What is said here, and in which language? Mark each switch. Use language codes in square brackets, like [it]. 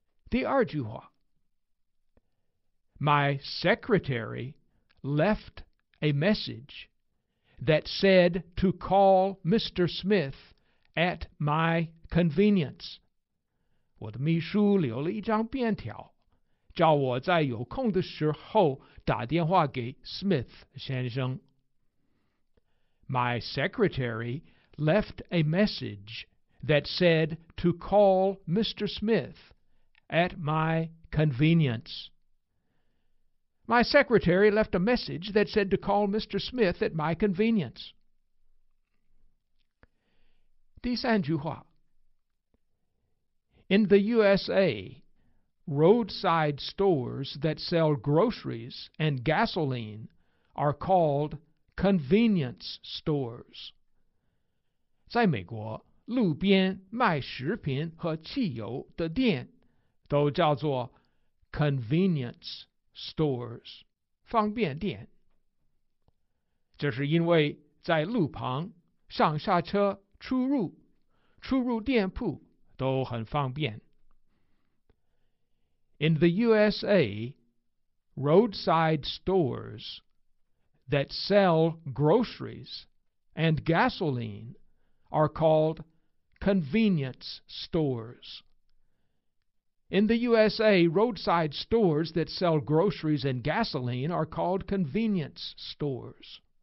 [zh] 第二句话， [en] My secretary left a message that said to call Mr. Smith at my convenience. [zh] 我的秘书留了一张便条，叫我在有空的时候打电话给 Smith 先生。 [en] My secretary left a message that said to call Mr. SmithAt my convenience. My secretary left a message that said to call Mr. Smith at my convenience. [zh] 第三句话。 [en] In the USA, roadside stores that sell groceries and gasoline are called convenience stores. [zh] 在美国，路边卖食品和汽油的店都叫做 convenience stores， 方便店。这是因为在路旁上下车出入店铺都很方便。 [en] In the USA, roadside stores that sell groceries and gasoline are called convenience stores. In the USA, roadside stores that sell groceries and gasoline are called convenience stores.